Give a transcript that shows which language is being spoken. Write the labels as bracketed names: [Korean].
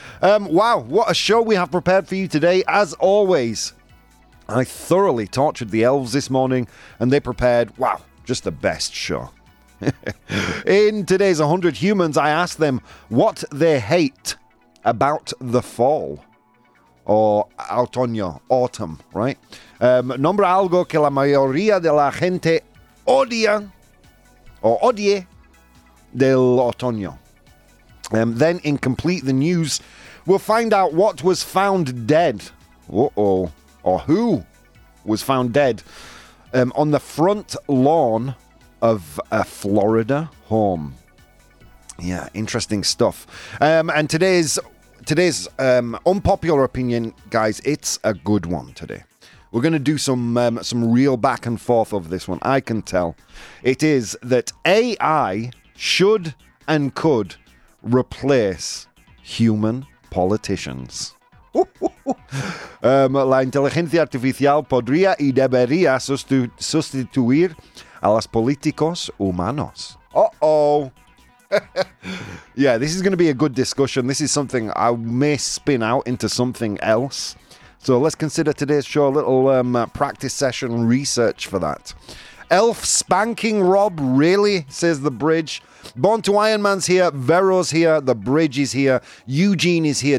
[English] Wow, what a show we have prepared for you today. As always, I thoroughly tortured the elves this morning, and they prepared, wow, just the best show. In today's 100 Humans, I asked them what they hate about the fall. Or otoño, autumn, right? [Spanish] Nombra algo que la mayoría de la gente odia or odie del otoño. [English] Then in Complete the News, we'll find out what was found dead. Uh-oh. Or who was found dead on the front lawn of a Florida home. Yeah, interesting stuff. And today's unpopular opinion, guys, it's a good one today. We're going to do some real back and forth of this one. I can tell. It is that AI should and could replace human politicians. [Spanish] La inteligencia artificial podría y debería sustituir a los políticos humanos. [English] Uh-oh. Yeah, this is going to be a good discussion. This is something I may spin out into something else. So let's consider today's show a little practice session research for that. Elf spanking Rob, really, says the bridge. Born to Iron Man's here. Vero's here. The bridge is here. Eugene is here.